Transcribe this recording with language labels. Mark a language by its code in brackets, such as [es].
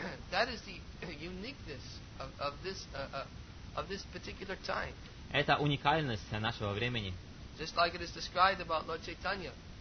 [en] That is the uniqueness of this particular time. [ru] Это уникальность нашего времени. [en] Just like it is described about Lord Chaitanya.